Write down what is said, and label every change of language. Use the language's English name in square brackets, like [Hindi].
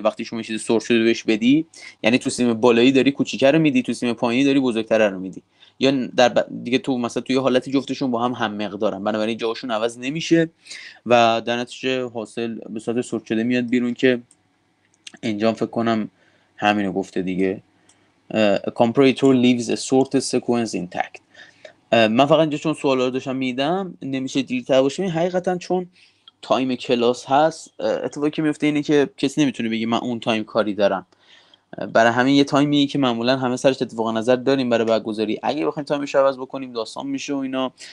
[Persian] وقتی شما یه چیز سورت شده بهش بدی، یعنی تو سیم بالایی داری کوچیکر رو میدی، تو سیم پایینی داری بزرگتر رو میدی، یا در دیگه تو مثلا توی حالتی جفتشون با هم هم مقدارن، بنابراین جاهاشون عوض نمیشه و در نتیجه حاصل به صورت سورت شده میاد بیرون، که انجام فکر کنم همینو گفته دیگه. [English] A comparator leaves a sort sequence intact. [Persian] من فقط اینجا چون سوالا رو داشتم میدم، نمیشه دیرتر باشه، حقیقتاً چون تایم کلاس هست، اتفاقی که میفته اینه که کسی نمیتونه بگه من اون تایم کاری دارم، برای همین یه تایمی که معمولا همه سرش اتفاق نظر داریم برای برگزاری، اگه بخوایم تایمش عوض بکنیم داستان میشه و اینا.